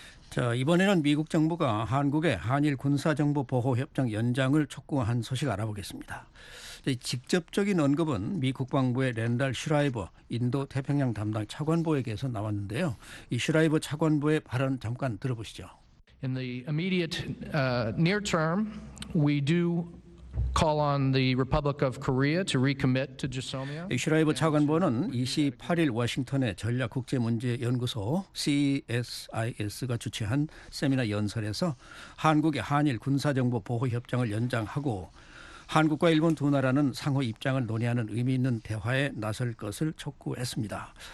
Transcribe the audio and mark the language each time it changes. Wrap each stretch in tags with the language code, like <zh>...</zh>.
<ko>자, 이번에는 미국 정부가 한국의 한일 군사정보보호협정 연장을 촉구한 소식 알아보겠습니다. 직접적인 언급은 미 국방부의 랜달 슈라이버 인도 태평양 담당 차관보에게서 나왔는데요. 이 슈라이버 차관보의 발언 잠깐 들어보시죠.</ko> <en>In the immediate near term, we do call on the Republic of Korea to recommit to GSOMIA.</en> <ko>슈라이버 차관보는 28일 워싱턴의 전략국제문제연구소 CSIS가 주최한 세미나 연설에서 한국의 한일 군사정보보호협정을 연장하고 한국과 일본 두 나라는 상호 입장을 논의하는 의미 있는 대화에 나설 것을 촉구했습니다.</ko>